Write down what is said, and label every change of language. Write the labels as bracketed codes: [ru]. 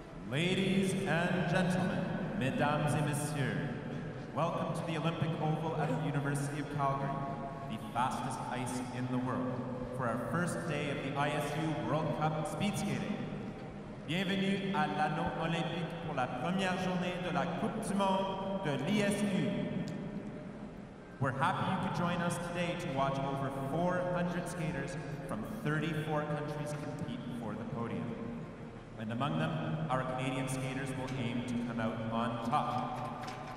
[en] Ladies and gentlemen, [fr] mesdames et messieurs, [en] welcome to the Olympic Oval at the University of Calgary, the fastest ice in the world, for our first day of the ISU World Cup speed skating. [fr] Bienvenue à l'anneau olympique pour la première journée de la Coupe du Monde de l'ISU. [en] We're happy you could join us today to watch over 400 skaters from 34 countries compete for the podium. And among them, our Canadian skaters will aim to come out on top.